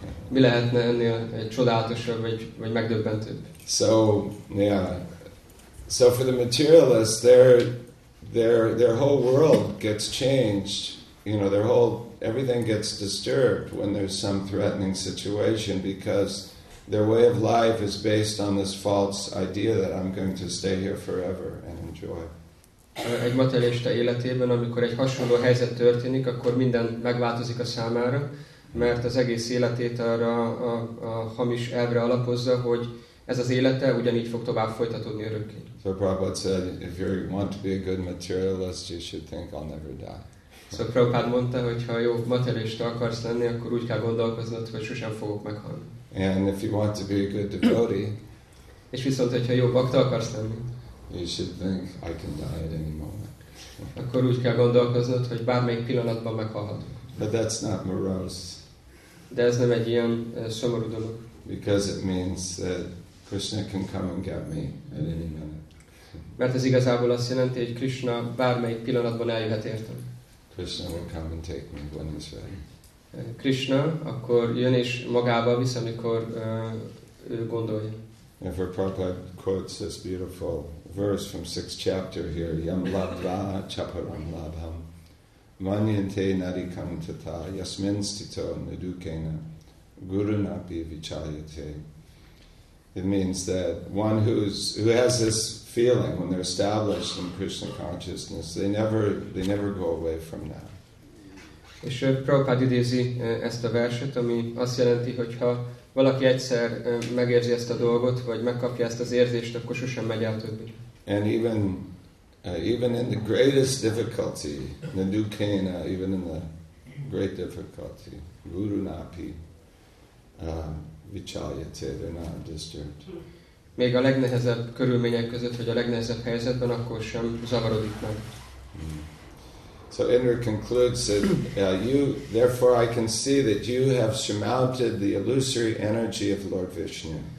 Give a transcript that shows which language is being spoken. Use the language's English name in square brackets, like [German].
[Hungarian] Mi lehetne ennél csodálatosabb, vagy megdöbbentőbb? [English] So, yeah. So for the materialists, their whole world gets changed. You know, their whole everything gets disturbed when there's some threatening situation because their way of life is based on this false idea that I'm going to stay here forever and enjoy. [Hungarian] Egy materialista életében, amikor egy hasonló helyzet történik, akkor minden megváltozik a számára, mert az egész életét arra a hamis elvre alapozza, hogy ez az élete ugyanígy fog tovább folytatódni örökké. [English] So Prabhupada said, if you want to be a good materialist, you should think I'll never die. [Hungarian] Szóval Prabhupád mondta, hogy ha jó materialista akarsz lenni, akkor úgy kell gondolkoznod, hogy sosem fogok meghalni. [English] And if you want to be a good devotee, [Hungarian] és viszont, hogyha jó bakta akarsz lenni, [English] you should think I can die at any moment. [Hungarian] Akkor úgy kell gondolkoznod, hogy bármelyik pillanatban meghalhatok. [English] But that's not morose. [Hungarian] De ez nem egy ilyen szomorú dolog. [English] Because it means that Krishna can come and get me at any minute. [Hungarian] Mert ez igazából azt jelenti, hogy Krishna bármelyik pillanatban eljöhet értem. [English] Krishna will come and take me when he's ready. [Hungarian] Krishna akkor jön és magával visz, amikor ő gondolja. [English] If Prabhupada quotes this beautiful verse from 6th chapter here, [Sanskrit] Yam labdva chaparam labham manyante narikam tata yasmin stito nidukena gurunapi vichayate. [English] It means that one who has this feeling when they're established in Krishna consciousness, they never go away from that. [Hungarian] És Prabhupád idézi ezt a verset, ami azt jelenti, hogy ha valaki egyszer megérzi ezt a dolgot, vagy megkapja ezt az érzést, akkor sosem megy el többé. [English] And even in the greatest difficulty, nidukena, even in the great difficulty, [Sanskrit] gurunapi vichayate, [English] they're not disturbed. [Hungarian] Még a legnehezebb körülmények között, vagy a legnehezebb helyzetben, akkor sem zavarodik meg. [English] So Indra concludes that therefore I can see that you have surmounted the illusory energy of Lord Vishnu.